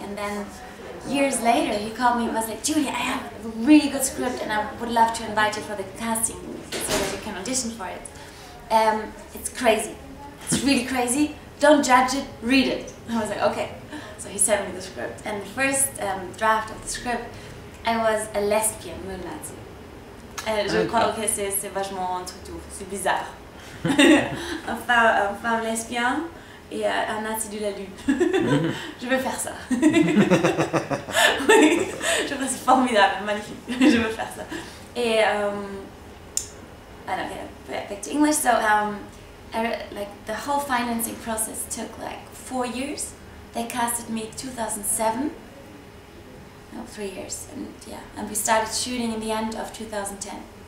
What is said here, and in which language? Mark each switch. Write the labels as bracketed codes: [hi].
[en] And then years later, he called me and was like, Julia, I have a really good script and I would love to invite you for the casting so that you can audition for it. It's crazy. It's really crazy. Don't judge it, read it. I was like, okay. So he sent me the script. And the first draft of the script, I was a lesbian moon Nazi. [fr] Je crois que c'est vachement un truc doux, c'est bizarre. Une femme lesbienne et un Nazi de la lune. Je veux faire ça. Je trouve ça formidable, magnifique. Je veux faire ça. [en] Et, I don't get back to English, so the whole financing process took like 4 years. They casted me 2007, no, 3 years, and yeah, and we started shooting in the end of 2010.